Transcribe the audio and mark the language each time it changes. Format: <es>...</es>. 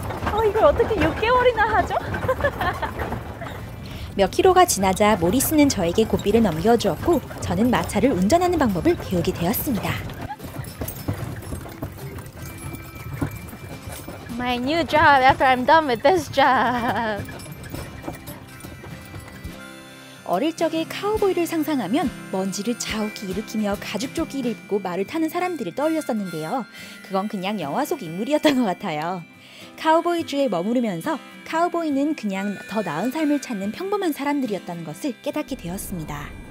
<ko>Oh, 이걸 어떻게 6개월이나 하죠? 몇 킬로가 지나자 모리스는 저에게 고삐를 넘겨주었고, 저는 마차를 운전하는 방법을 배우게 되었습니다.</ko> <en>My new job after I'm done with this job.</en> <ko>어릴 적에 카우보이를 상상하면 먼지를 자욱히 일으키며 가죽조끼를 입고 말을 타는 사람들을 떠올렸었는데요. 그건 그냥 영화 속 인물이었던 것 같아요. 카우보이 주에 머무르면서 카우보이는 그냥 더 나은 삶을 찾는 평범한 사람들이었다는 것을 깨닫게 되었습니다.</ko>